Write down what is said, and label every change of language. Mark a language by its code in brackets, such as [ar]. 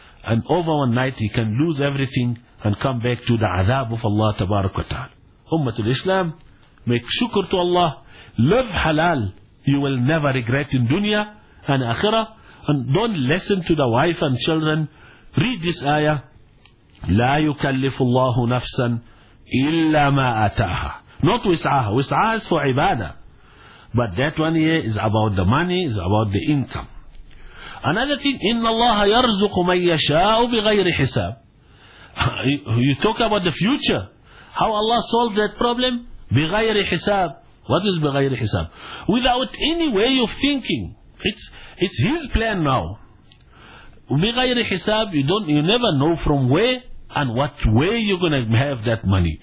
[en] And over one night he can lose everything and come back to the azab of Allah tabarak wa ta'ala. Ummatul Islam, make shukr to Allah. Live halal. You will never regret in dunya and akhirah. And don't listen to the wife and children. Read this ayah. [ar] لا يكلف الله نفسا إلا ما أتاها. [en] Not وسعها. وسعها is for ibadah. But that one here is about the money, is about the income. Another thing, [ar] إن الله يرزق من يشاء بغير حساب. [en] You talk about the future. How Allah solved that problem? بغير حساب. What is بغير حساب? Without any way of thinking. It's His plan now. بغير حساب, you never know from where and what way you're going to have that money.